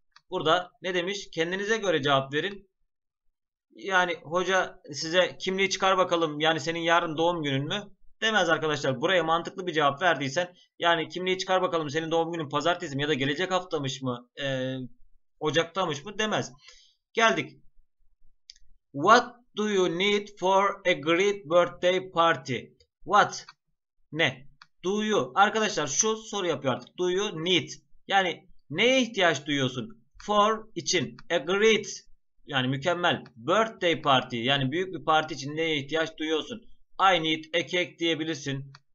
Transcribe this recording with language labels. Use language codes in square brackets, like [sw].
[tr] Burada ne demiş? Kendinize göre cevap verin. Yani hoca size kimliği çıkar bakalım. Yani senin yarın doğum günün mü? Demez arkadaşlar. Buraya mantıklı bir cevap verdiysen. Yani kimliği çıkar bakalım. Senin doğum günün pazartesi mi? Ya da gelecek haftamış mı? Ocaktamış mı? Demez. Geldik. [en] What do you need for a great birthday party? What? Ne? Do you? [tr] Arkadaşlar şu soru yapıyor artık. Do you need? Yani neye ihtiyaç duyuyorsun? For için. A great. Yani mükemmel. [en] Birthday party. [tr] Yani büyük bir parti için neye ihtiyaç duyuyorsun? [en] I need a cake [tr] diyebilirsin.